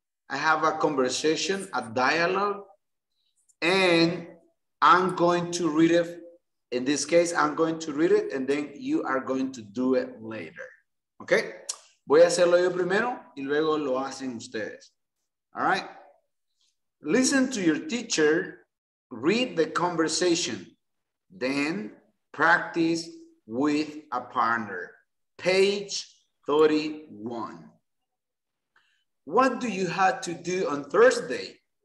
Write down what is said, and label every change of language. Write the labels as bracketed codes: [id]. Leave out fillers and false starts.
[en] I have a conversation, a dialogue, and I'm going to read it. In this case, I'm going to read it, and then you are going to do it later. Okay? [es] Voy a hacerlo yo primero, y luego lo hacen ustedes. [en] All right? Listen to your teacher, read the conversation, then practice with a partner. Page 31. What do you have to do on Thursday?